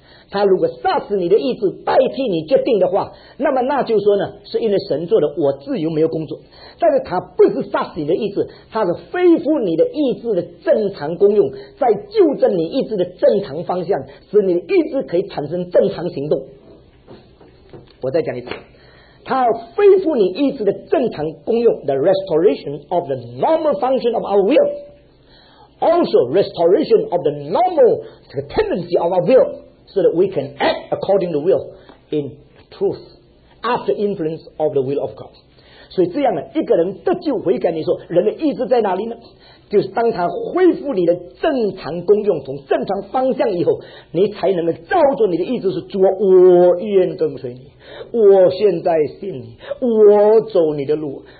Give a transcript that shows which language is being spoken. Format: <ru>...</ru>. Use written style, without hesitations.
<zh>他如果杀死你的意志代替你决定的话，那么那就说呢，是因为神做的，我自由没有工作。但是他不是杀死你的意志，他是恢复你的意志的正常功用，在纠正你意志的正常方向，使你的意志可以产生正常行动。我再讲一次，他恢复你意志的正常功用，</zh> <en>The restoration of the normal function of our will, also restoration of the normal tendency of our will, so that we can act according to will in truth after influence of the will of God.</en> <zh>所以这样呢，一个人得救悔改，你说人的意志在哪里呢？就是当他恢复你的正常功用，从正常方向以后，你才能够照着你的意志是主，我愿跟随你，我现在信你，我走你的路。</zh>